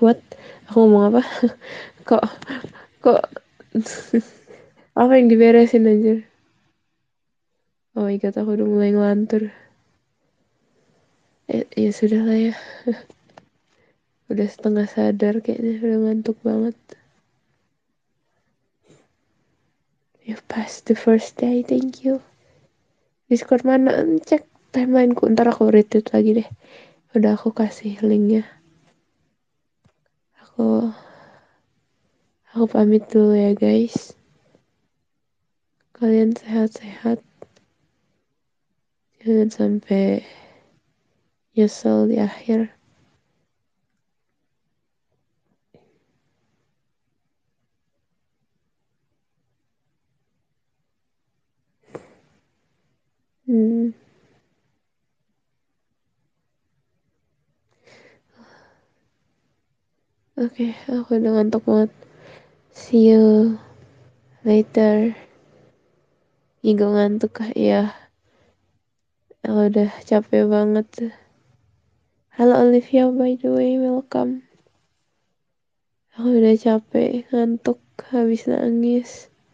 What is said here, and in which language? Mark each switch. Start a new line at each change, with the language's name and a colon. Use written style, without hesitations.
English: What,
Indonesian: aku ngomong apa? kok apa yang diberesin anjir?
English: Oh my god,
Indonesian: aku udah mulai ngelantur. Ya sudah lah ya. Udah setengah sadar kayaknya, udah ngantuk banget.
English: You passed the first day, thank you.
Indonesian: Discord mana? Cek timelineku, ntar aku retweet lagi deh. Udah aku kasih linknya. Aku pamit dulu ya guys. Kalian sehat-sehat. Jangan sampai nyesel di akhir. Okay, aku udah ngantuk banget.
English: See you later.
Indonesian: Ih, gue ngantuk kah? Iya. Aku udah capek banget. Halo
English: Olivia, by the way, welcome.
Indonesian: Aku udah capek, ngantuk, habis nangis.